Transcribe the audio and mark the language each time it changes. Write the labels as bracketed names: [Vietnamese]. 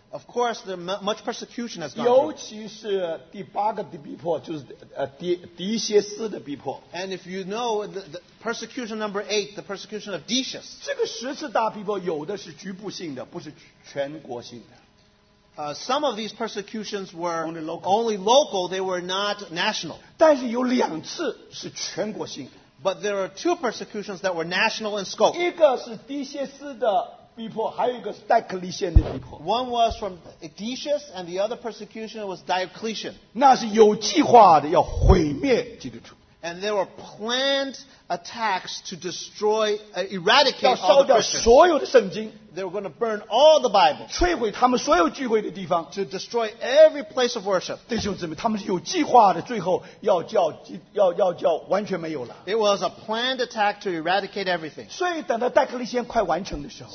[English] Of course, there much persecution has gone. [Chinese] 尤其是第八个的逼迫，就是狄歇斯的逼迫。 [English] And if you know the persecution number 8, the persecution of Decius. [Chinese] 这个十次大逼迫有的是局部性的，不是全国性的。 [English] Some of these persecutions were only local; they were not national. [Chinese] 但是有两次是全国性的。 [English] But there are two persecutions that were national in scope. [Chinese] 一个是狄歇斯的。 [English] One was from Decius, and the other persecution was Diocletian. [Chinese] 那是有计划的要毁灭基督徒。 [English] And there were planned attacks to destroy, eradicate all the Christians. They were going to burn all the Bible. [Chinese] 摧毁他们所有聚会的地方, [English] to destroy every place of worship. [Chinese] 弟兄姊妹, 他们是有计划的, 最后要叫完全没有了。 [English] It was a planned attack to eradicate everything. [Chinese] 所以等到戴克利先快完成的时候,